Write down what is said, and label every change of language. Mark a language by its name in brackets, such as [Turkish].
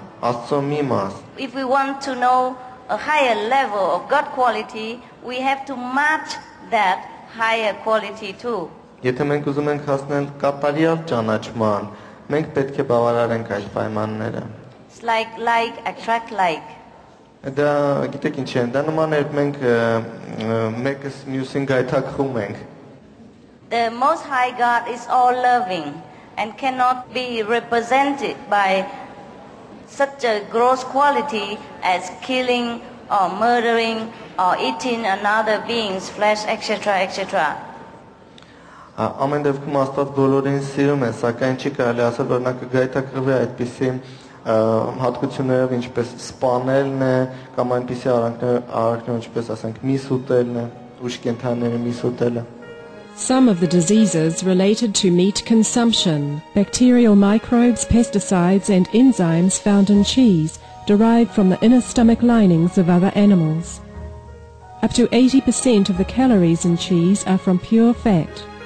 [English] If we want to know a higher level of God quality, we have to match that higher quality too. [Armenian] Եթե մենք ուզում ենք հասնել կատարյալ ճանաչման, մենք պետք է բավարարենք այդ պայմանները։ [English] It's like attract like. [Armenian] Դա գիտեք ինչ է, դա նման է, մենք մեկս մյուսին գայթակղում ենք։ [English] The most high God is all loving and cannot be represented by such a gross quality as killing or murdering or eating another being's flesh, etc., etc. [Armenian] Ամեն դեպքում Աստված բոլորին սիրում է, սակայն չի կարելի ասել, որ նա կգայթակղվի այդպիսի հատկություններով, ինչպես սպանելն է, կամ այնպիսի արարքներ, ինչպես ասենք միս ուտելն է, ուշ կենդանիների միս ուտելը։ [English] Some of the diseases related to meat consumption, bacterial microbes, pesticides, and enzymes found in cheese derived from the inner stomach linings of other animals. Up to 80% of the calories in cheese are from pure fat.